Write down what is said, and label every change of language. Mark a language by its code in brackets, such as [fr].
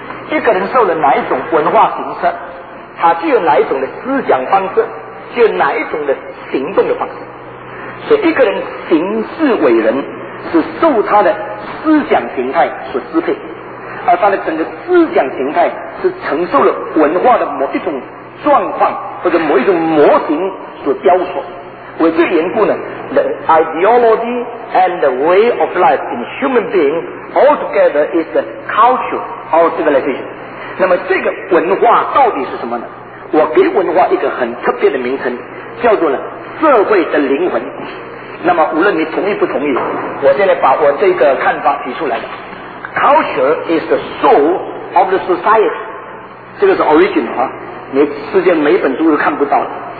[zh] 一个人受了哪一种文化形式，他具有哪一种的思想方式，具有哪一种的行动的方式。所以一个人行事为人是受他的思想形态所支配，而他的整个思想形态是承受了文化的某一种状况或者某一种模型所雕塑。为这缘故呢， [en] the ideology and the way of life in human being altogether is the culture of civilization。 [zh] 那么这个文化到底是什么呢？我给文化一个很特别的名称，叫做呢社会的灵魂。那么无论你同意不同意，我现在把我这个看法提出来了。 [en] culture is the soul of the society， [zh] 这个是 origin 啊，你世界每一本书都看不到的。